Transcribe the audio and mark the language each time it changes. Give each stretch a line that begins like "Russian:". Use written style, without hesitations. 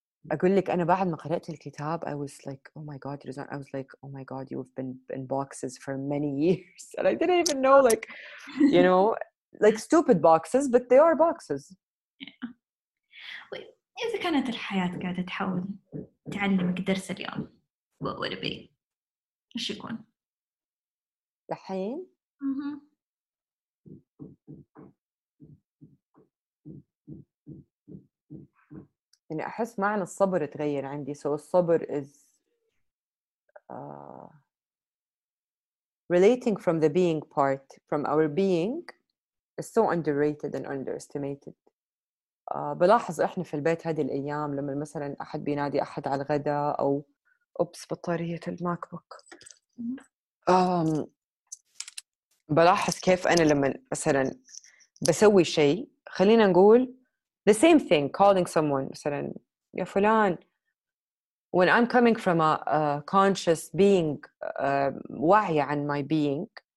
Arabic: أقول لك أنا بعد ما قرأت الكتاب
English: I was like oh my god, I was like oh my god you've been in boxes for many years and I didn't even know like you know like stupid boxes but they are boxes. Yeah.
Arabic: إذا كانت الحياة قاعدة تحاول تعلمك درس اليوم
English: what would it be?
Arabic: إيش يكون؟ الحين؟ يعني أحس معنى الصبر تغير عندي.
English: So الصبر is relating from the being part, from our being is so underrated and underestimated.
Arabic: بلاحظ إحنا في البيت هذه الأيام لما مثلا أحد بينادي أحد على الغداء أو أوبس بطارية الماك بوك, بلاحظ كيف أنا لما مثلا بسوي شيء خلينا نقول
English: the same thing calling someone
Arabic: مثلا يا فلان,
English: when I'm coming from a conscious being,
Arabic: واعية عن
English: my being,